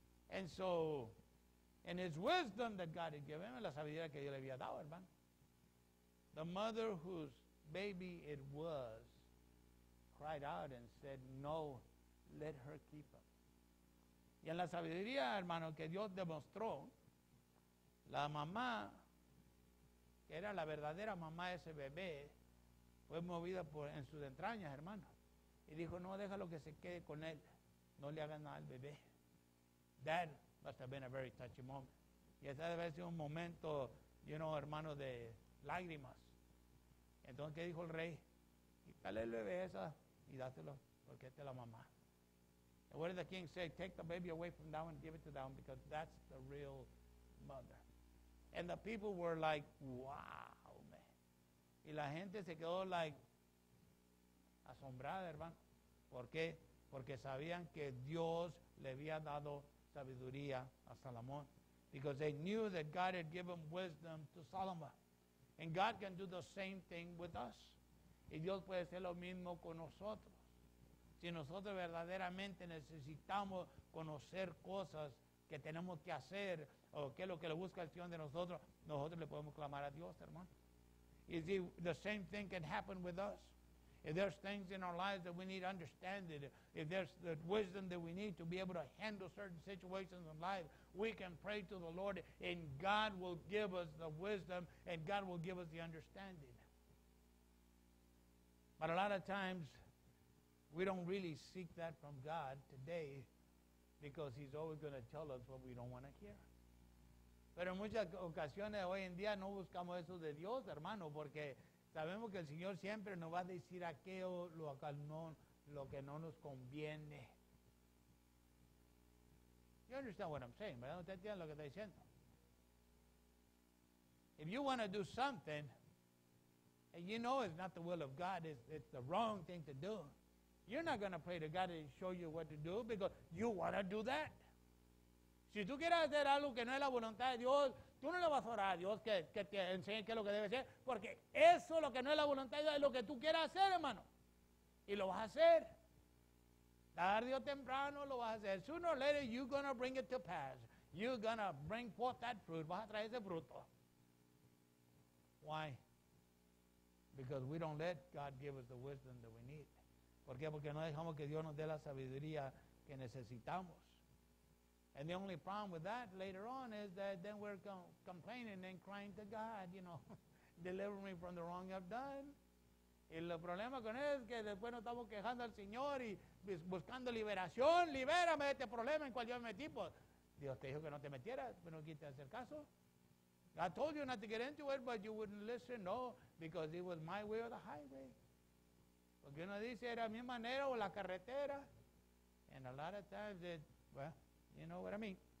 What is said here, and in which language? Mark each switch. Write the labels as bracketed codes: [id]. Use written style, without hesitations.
[en] And so, in his wisdom that God had given him, [es] la sabiduría que Dios le había dado, [en] hermano, the mother whose baby it was cried out and said, no, let her keep him. [es] Y en la sabiduría, hermano, que Dios demostró, la mamá, que era la verdadera mamá de ese bebé, fue movida en sus entrañas, hermano. Y dijo, no, déjalo que se quede con él. No le hagas nada al bebé. [en] That must have been a very touching moment. [es] Y esa debe ser un momento, [en] you know, [es] hermano, de lágrimas. Entonces, ¿qué dijo el rey? Quítale el bebé esa y dáselo, porque esta es la mamá. [en] And what did the king say? Take the baby away from that one and give it to that one, because that's the real mother. And the people were like, wow, man. [es] Y la gente se quedó like, asombrada, hermano. ¿Por qué? Porque sabían que Dios le había dado sabiduría a Salomón. [en] Because they knew that God had given wisdom to Solomon. And God can do the same thing with us. [es] Y Dios puede hacer lo mismo con nosotros. Si nosotros verdaderamente necesitamos conocer cosas que tenemos que hacer o qué es lo que le busca el Señor de nosotros, nosotros le podemos clamar a Dios, hermano. [en] You see, the same thing can happen with us. If there's things in our lives that we need understanding, if there's the wisdom that we need to be able to handle certain situations in life, we can pray to the Lord, and God will give us the wisdom, and God will give us the understanding. But a lot of times, we don't really seek that from God today because he's always going to tell us what we don't want to hear. [es] Pero en muchas ocasiones hoy en día no buscamos eso de Dios, hermano, porque sabemos que el Señor siempre nos va a decir aquello lo que no nos conviene. [en] You understand what I'm saying, [es] ¿verdad? ¿Usted entiende lo que estoy diciendo? [en] If you want to do something, and you know it's not the will of God, it's the wrong thing to do, you're not going to pray to God and show you what to do because you want to do that. [es] Si tú quieres hacer algo que no es la voluntad de Dios, tú no le vas a orar a Dios que te enseñe qué es lo que debe ser, porque eso, lo que no es la voluntad de Dios, es lo que tú quieras hacer, hermano. Y lo vas a hacer. Tarde o temprano lo vas a hacer. [en] Sooner or later, you're going to bring it to pass. You're going to bring forth that fruit. [es] Vas a traer ese fruto. [en] Why? Because we don't let God give us the wisdom that we need. [es] ¿Por qué? Porque no dejamos que Dios nos dé la sabiduría que necesitamos. [en] And the only problem with that later on is that then we're complaining and crying to God, you know, deliver me from the wrong I've done. [es] Y el problema con eso es que después nos estamos quejando al Señor y buscando liberación, libérame de este problema en cual yo me metí. Pues, Dios te dijo que no te metieras, pero no quites hacer caso. [en] I told you not to get into it, but you wouldn't listen, no, because it was my way or the highway. [es] Porque uno dice, era mi manera o la carretera. [en] And a lot of times you know what I mean.